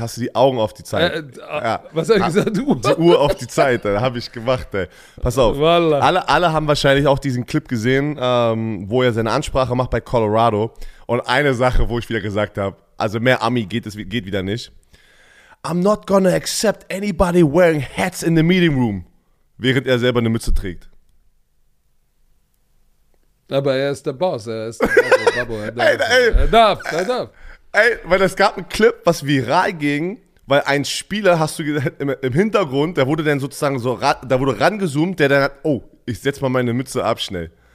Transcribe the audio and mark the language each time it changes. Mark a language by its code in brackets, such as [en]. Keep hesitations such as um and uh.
[de] Hast du die Augen auf die Zeit? Äh, ja. Was habe ich hast gesagt? Uhr? Die Uhr auf die Zeit, da habe ich gemacht, ey. Pass auf. Voilà. Alle, alle haben wahrscheinlich auch diesen Clip gesehen, ähm, wo er seine Ansprache macht bei Colorado. Und eine Sache, wo ich wieder gesagt habe, also mehr Ami geht, geht wieder nicht. [en] I'm not gonna accept anybody wearing hats in the meeting room. [de] Während er selber eine Mütze trägt. Aber er ist der Boss, er ist der Babo, Babo, er, er, er, darf, ey, ey, darf, darf. Ey, weil es gab einen Clip, was viral ging, weil ein Spieler, hast du gesagt im Hintergrund, der wurde dann sozusagen so, da wurde rangezoomt, der dann hat, oh, ich setz mal meine Mütze ab schnell.